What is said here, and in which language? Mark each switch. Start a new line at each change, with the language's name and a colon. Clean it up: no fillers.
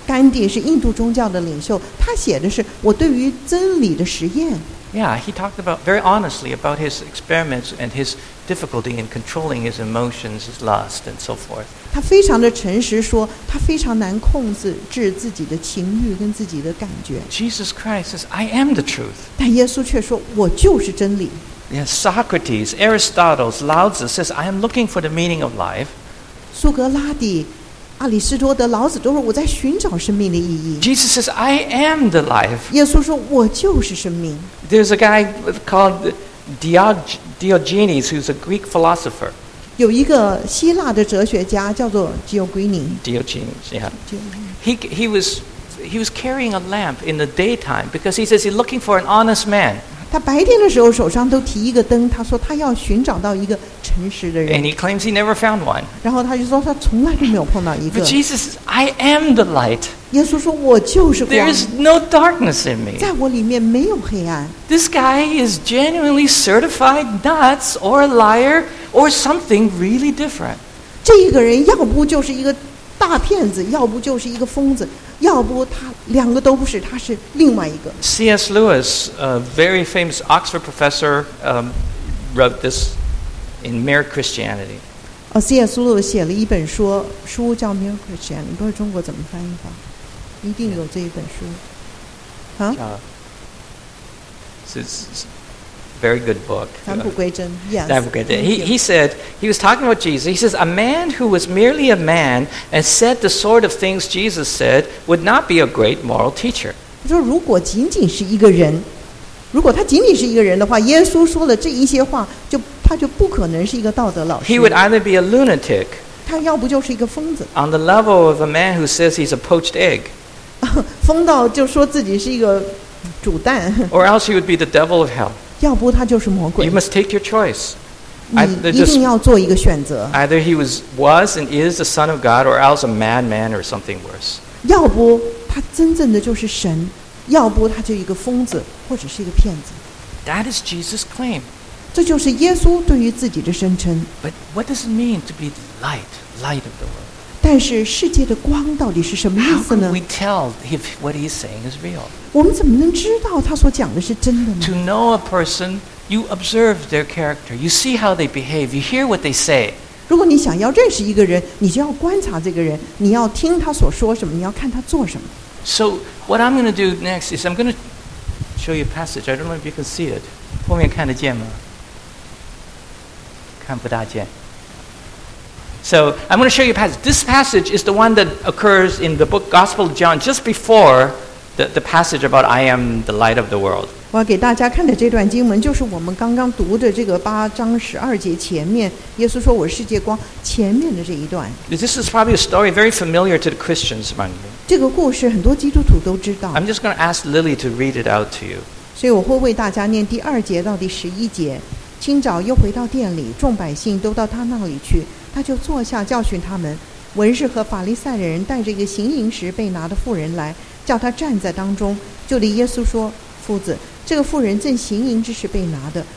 Chinese: 甘地是印度宗教的领袖，他写的是我对于真理的实验。
English: Yeah, he talked about very honestly about his experiments and his difficulty in controlling his emotions, his lust, and so forth.
Chinese: 他非常的诚实说，他非常难控制自己的情欲跟自己的感觉。
English: Jesus Christ says, "I am the truth."
Chinese: 但耶稣却说，我就是真理。
English: Yes, Socrates, Aristotle, Lao Tzu says, "I am looking for the meaning of life."
Chinese: 苏格拉底、阿里士多德、老子都说，我在寻找生命的意义。
English: Jesus says, "I am the life."
Chinese: 耶稣说，我就是生命。
English: There's a guy called Diogenes, who's a Greek philosopher.
Chinese: 有一个希腊的哲学家叫做 Diogenes.
English: Diogenes, yeah. He was carrying a lamp in the daytime because he says he's looking for an honest man.
Chinese: 他白天的时候手上都提一个灯，他说他要寻找到一个诚实的人。
English: And he claims he never found one.
Chinese: 然后他就说他从来都没有碰到一个。
English: But Jesus says, "I am the light."
Chinese: 耶稣说我就是光。
English: There is no darkness in me.
Chinese: 在我里面没有黑暗。
English: This guy is genuinely certified nuts, or a liar, or something really different.
Chinese: 这一个人要不就是一个大骗子，要不就是一个疯子。要不他两个都不是，他是另外一个。
English: C.S. Lewis, a very famous Oxford professor, wrote this in Mere Christianity. C.S.
Chinese: Lewis 写了一本书叫 Mere Christianity， 不知道中国怎么翻译吧？一定有这一本书。啊？
English: It's a very good book.
Chinese: 返璞归真 ，Yes. 返璞归真。
English: He said he was talking about Jesus. He says a man who was merely a man and said the sort of things Jesus said would not be a great moral teacher.
Chinese: 他说如果仅仅是一个人，如果他仅仅是一个人的话，耶稣说了这一些话，他就不可能是一个道德老师。
English: He would either be a lunatic.
Chinese: 他要不就是一个疯子。
English: On the level of a man who says he's a poached egg.
Chinese: 疯到就说自己是一个煮蛋。
English: Or else he would be the devil of hell.
Chinese: 要不他就是魔鬼。
English: You must take your choice.
Chinese: 你一定要做一个选择。
English: Either he was and is the son of God, or else a madman or something worse.
Chinese: 要不他真正的就是神，要不他就一个疯子，或者是一个骗子。
English: That is Jesus' claim.
Chinese: 这就是耶稣对于自己的声称。
English: But what does it mean to be the light, light of the world?
Chinese: 但是世界的光到底是什么意思呢？
English: How can we tell if what he's saying is real?
Chinese: 我们怎么能知道他所讲的是真的呢
English: ？To know a person, you observe their character. You see how they behave. You hear what they say.
Chinese: 如果你想要认识一个人，你就要观察这个人，你要听他所说什么，你要看他做什么。
English: So what I'm going to do next is I'm going to show you a passage. I don't know if you can see it.
Chinese: 后面看得见吗？看不大见。
English: So I'm going to show you a passage. This passage is the one that occurs in the book Gospel of John just before. The passage about "I am the light of the world."
Chinese: 我要给大家看的这段经文，就是我们刚刚读的这个八章十二节前面，耶稣说我是世界光前面的这一段。
English: This is probably a story very familiar to the Christians among you.
Chinese: 这个故事很多基督徒都知道。
English: I'm just going to ask Lily to read it out to you.
Chinese: 所以我会为大家念第二节到第十一节。清早又回到殿里，众百姓都到他那里去，他就坐下教训他们。文士和法利赛人带着一个行淫时被拿的妇人来。叫他站在当中，就对耶稣说：“夫子，这个妇人正行淫之时被拿的。